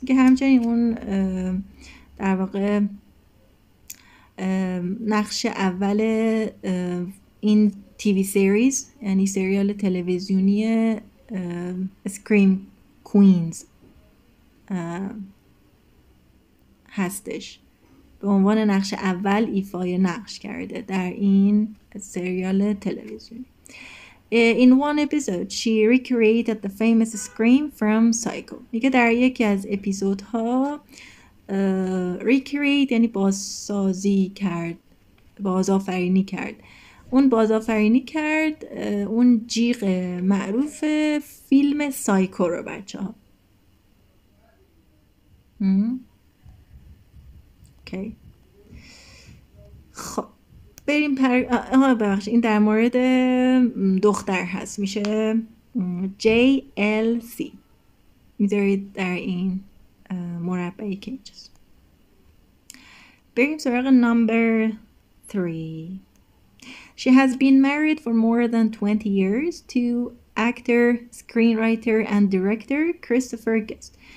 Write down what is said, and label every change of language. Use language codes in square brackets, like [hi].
[fa] میگه همچنین اون در واقع نقش اول این TV series یعنی سریال تلویزیونی Scream Queens هستش، به عنوان نقش اول ایفای نقش کرده در این سریال تلویزیونی. [en] In one episode she recreated the famous scream from Psycho. [fa] میگه در یکی از اپیزودها recreate یعنی بازسازی کرد، بازآفرینی کرد. اون بازآفرینی کرد اون جیغ معروف فیلم سایکو رو بچه ها. اوکی خب بریم ببخش این در مورد دختر هست، میشه JLC. میذارید در این مربعی که اینجاست. بریم سراغ نمبر 3. [en] She has been married for more than 20 years to actor, screenwriter and director Christopher Guest.